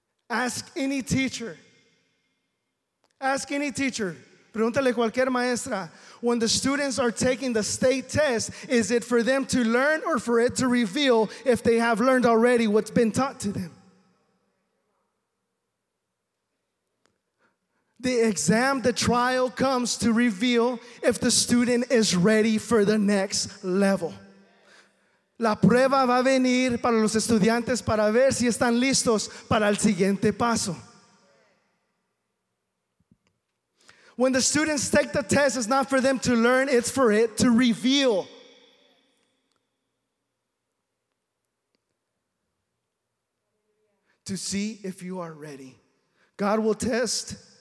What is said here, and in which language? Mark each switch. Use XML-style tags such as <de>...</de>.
<en>Ask any teacher. Ask any teacher,</en> <es>pregúntale cualquier maestra,</es> <en>when the students are taking the state test, is it for them to learn or for it to reveal if they have learned already what's been taught to them? The exam, the trial comes to reveal if the student is ready for the next level.</en> <es>La prueba va a venir para los estudiantes para ver si están listos para el siguiente paso.</es> <en>When the students take the test, it's not for them to learn, it's for it to reveal. To see if you are ready. God will test.</en>